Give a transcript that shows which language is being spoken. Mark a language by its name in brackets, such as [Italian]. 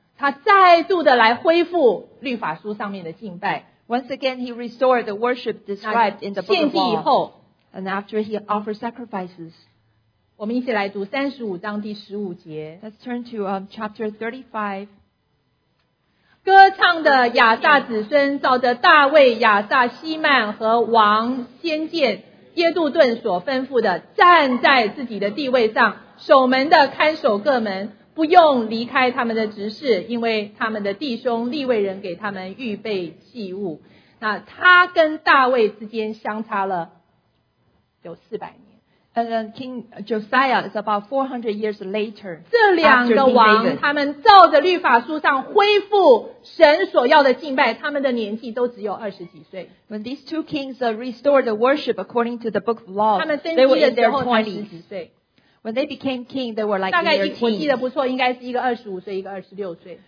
[Chinese] 他再度的来恢复律法书上面的敬拜。 [English] Once again, he restored the worship described in the book of law. [Chinese] 献祭以后 [English] ，and after he offered sacrifices. [Chinese] 我们一起来读35章第15节。 [English] Let's turn to chapter 35. [Chinese] 歌唱的亚萨子孙照着大卫、亚萨、西曼和王先见耶杜顿所吩咐的，站在自己的地位上，守门的看守各门，不用离开他们的职事，因为他们的弟兄利未人给他们预备祭物。那他跟大卫之间相差了有400年。 [English] And then King Josiah is about 400 years later. [Chinese] 这两个王他们照着律法书上恢复神所要的敬拜，他们的年纪都只有20几岁。 [English] When these two kings restored the worship according to the book of law, [Chinese] 他们登基的时候才20几岁。 [English] When they became king, they were like [Chinese] 大概我记得不错，应该是一个25岁，一个26岁。